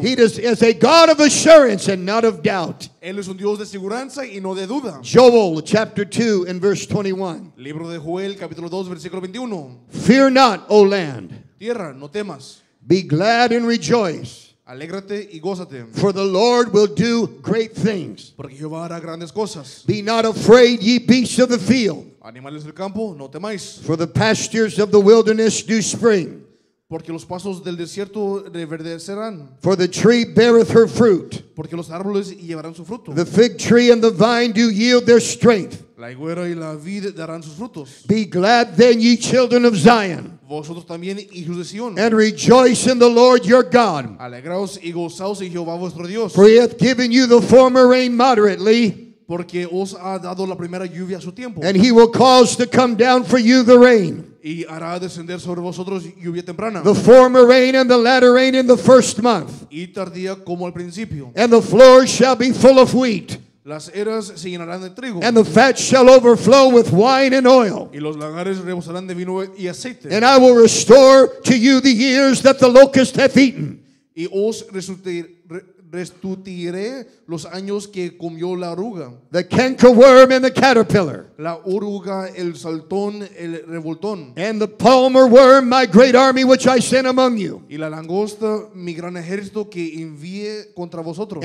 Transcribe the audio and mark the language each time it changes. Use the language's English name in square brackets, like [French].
[English] He is a God of assurance and not of doubt. [Spanish] Él es un Dios de seguridad y no de duda. [English] Joel chapter 2 and verse 21. [Spanish] Libro de Joel, capítulo 2, versículo 21. [English] Fear not, O land. [Spanish] Tierra, no temas. [English] Be glad and rejoice. [Spanish] Alégrate y gózate. [English] For the Lord will do great things. [Spanish] Porque Jehová hará grandes cosas. [English] Be not afraid, ye beasts of the field. [Spanish] Animales del campo, no temáis. [English] For the pastures of the wilderness do spring. [Spanish] Porque los pastos del desierto reverdecerán. [English] For the tree beareth her fruit. [Spanish] Porque los árboles llevarán su fruto. [English] The fig tree and the vine do yield their strength. [Spanish] La higuera y la vid darán sus frutos. [English] Be glad then, ye children of Zion. [Spanish] vosotros también, hijos de Sion. [English] And rejoice in the Lord your God. [Spanish] Alegraos y gozaos en Jehová vuestro Dios. [English] For he hath given you the former rain moderately. [Spanish] Porque os ha dado la primera lluvia a su tiempo. [English] And he will cause to come down for you the rain. [Spanish] Y hará descender sobre vosotros lluvia temprana. [English] The former rain and the latter rain in the first month. [Spanish] Y tardía como al principio. [English] And the floor shall be full of wheat. [Spanish] Las eras se llenarán de trigo. [English] And the fat shall overflow with wine and oil. [Spanish] Y los lagares rebosarán de vino y aceite. [English] And I will restore to you the years that the locust hath eaten. [Spanish] Y os restituiré los años que comió la oruga. [English] The cankerworm and the caterpillar. [Spanish] La oruga, el saltón, el revoltón. [English] And the palmerworm, my great army which I sent among you. [Spanish] Y la langosta, mi gran ejército que envié contra vosotros.